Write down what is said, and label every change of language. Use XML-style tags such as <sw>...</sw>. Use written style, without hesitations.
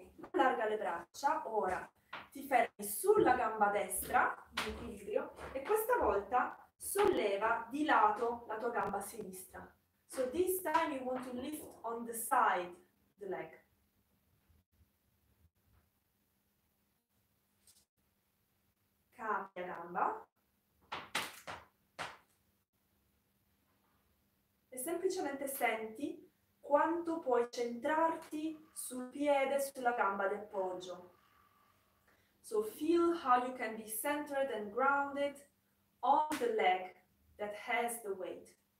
<it>Allarga le braccia, ora ti fermi sulla gamba destra, in equilibrio, e questa volta solleva di lato la tua gamba sinistra.</it> <en>So this time you want to lift on the side the leg.</en> <it>Cambia gamba. Semplicemente senti quanto puoi centrarti sul piede, sulla gamba di appoggio.</it> <en>So feel how you can be centered and grounded on the leg that has the weight.</en>